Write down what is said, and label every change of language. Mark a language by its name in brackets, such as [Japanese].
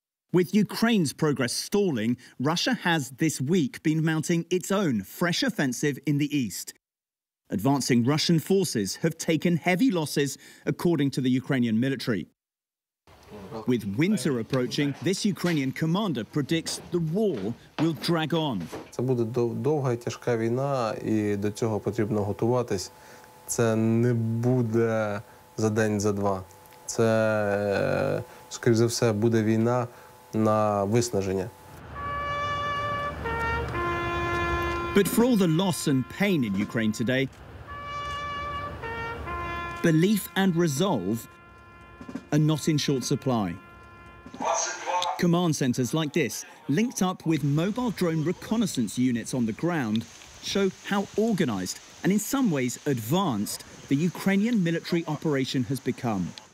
[English] With Ukraine's progress stalling, Russia has this week been mounting its own fresh offensive in the east. Advancing Russian forces have taken heavy losses, according to the Ukrainian military. With winter approaching, this Ukrainian commander predicts the war will drag on. [Ukrainian] Це буде довга і тяжка війна, і до цього потрібно готуватись. Це не буде за день, за два. Це, скоріше за все, буде війна на виснаження. [English] But for all the loss and pain in Ukraine today, belief and resolve are not in short supply. Command centers like this, linked up with mobile drone reconnaissance units on the ground, show how organized and in some ways advanced the Ukrainian military operation has become.